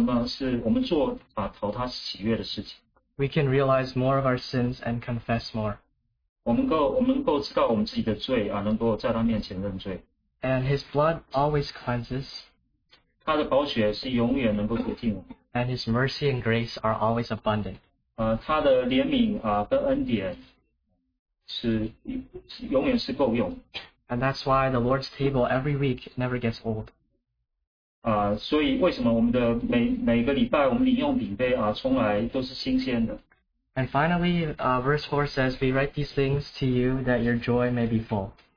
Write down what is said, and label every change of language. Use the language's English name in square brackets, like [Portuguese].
[Chinese] 当我们如果行在光中的话，我们就更多什么是我们做讨他喜悦的事情。 [English] We can realize more of our sins and confess more. [Chinese] 我们能够知道我们自己的罪，能够在他面前认罪。 [English] And His blood always cleanses. [Chinese] 他的宝血是永远能够洁净。 [English] And His mercy and grace are always abundant. [Chinese] 他的怜悯跟恩典是永远是够用。 [English] And that's why the Lord's table every week never gets old. [Chinese] 所以为什么我们的每个礼拜我们饮用饼杯从来都是新鲜的。 [English] And finally, verse 4 says, "We write these things to you that your joy may be full."